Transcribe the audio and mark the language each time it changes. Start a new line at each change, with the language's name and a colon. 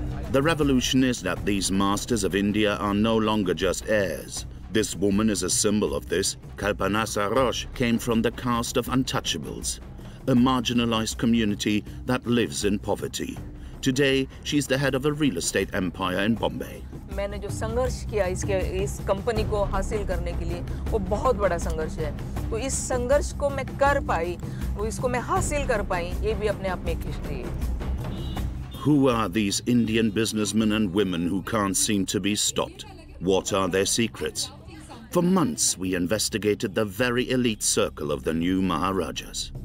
English: The revolution is that these masters of India are no longer just heirs. This woman is a symbol of this. Kalpana Sarosh came from the caste of untouchables, a marginalized community that lives in poverty. Today, she's the head of a real estate empire in Bombay.
Hindi: मैंने जो संघर्ष किया इसके इस company को हासिल करने के लिए वो बहुत बड़ा संघर्ष है तो इस संघर्ष को मैं कर पाई वो इसको मैं हासिल कर पाई ये भी अपने आप में एक हिस्ट्री है.
English: Who are these Indian businessmen and women who can't seem to be stopped? What are their secrets? For months, we investigated the very elite circle of the new Maharajahs.